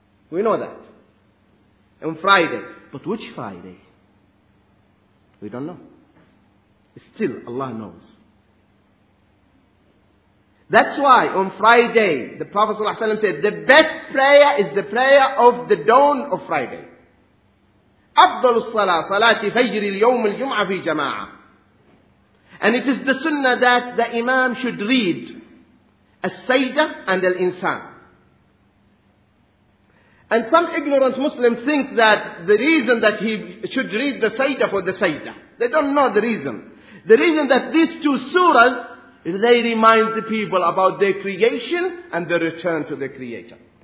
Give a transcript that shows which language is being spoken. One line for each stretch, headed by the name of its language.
English: We know that. On Friday. But which Friday? We don't know. Still, Allah knows. That's why on Friday, the Prophet ﷺ said, the best prayer is the prayer of the dawn of Friday.
Arabic: أفضل الصلاة صلاة فجر اليوم الجمعة في جماعة.
English: And it is the sunnah that the imam should read As-Sayda and Al-Insan. And some ignorant Muslims think that the reason that he should read the Sayda for the Sayda. They don't know the reason. The reason that these two surahs, they remind the people about their creation and their return to the Creator.